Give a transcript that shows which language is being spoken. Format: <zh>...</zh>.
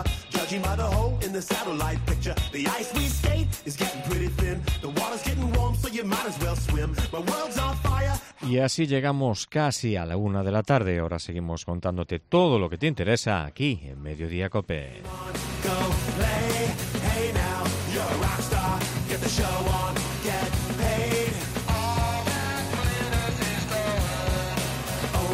<en>Judging by the hole in the satellite picture, the ice we skate is getting pretty thin. The water's getting warm, so you might as well swim. My world's on fire.</en> <es>Y así llegamos casi a la 1 de la tarde. Ahora seguimos contándote todo lo que te interesa aquí en Mediodía Cope.</es> <en>Go play, hey now, you're a rock star. Get the show on, get paid. All that glitters is gold.</en>